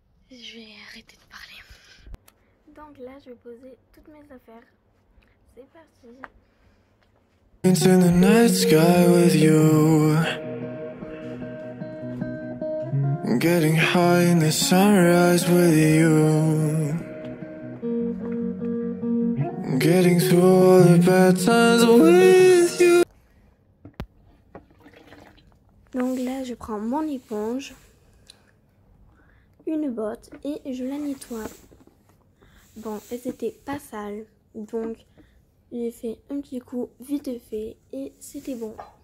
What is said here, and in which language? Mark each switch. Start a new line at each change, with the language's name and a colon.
French: Je vais arrêter de parler. Donc là, je vais poser toutes mes affaires. C'est parti.
English: Into the night sky with you. Getting high in the sunrise with you. Getting through all the bad times with you.
French: Donc là, je prends mon éponge, une botte et je la nettoie. Bon, et c'était pas sale. Donc, j'ai fait un petit coup vite fait et c'était bon.